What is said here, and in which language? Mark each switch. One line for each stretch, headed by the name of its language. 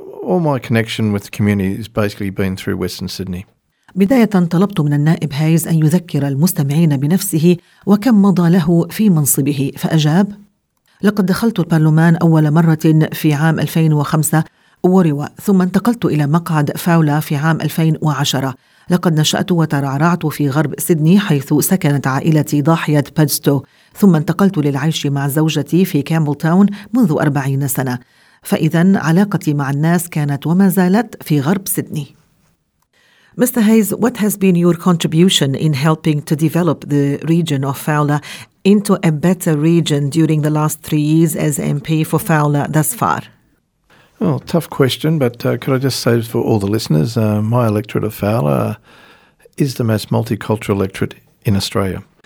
English: All my connection with the community has basically been through Western Sydney.
Arabic: بداية طلبت من النائب هايز أن يذكر المستمعين بنفسه وكم مضى له في منصبه، فأجاب: لقد دخلت البرلمان أول مرة في عام 2005 وروى، ثم انتقلت إلى مقعد فاولا في عام 2010. لقد نشأت وترعرعت في غرب سيدني حيث سكنت عائلتي ضاحية بادستو، ثم انتقلت للعيش مع زوجتي في كامبلتاون منذ 40 سنة. فإذن علاقتي مع الناس كانت وما زالت في غرب سيدني.
English: Mr. Hayes, what has been your contribution in helping to develop the region of Fowler into a better region during the last 3 years as MP for Fowler thus far? Well, tough question, but could I just say for all the listeners, my electorate of Fowler is the most multicultural electorate in Australia.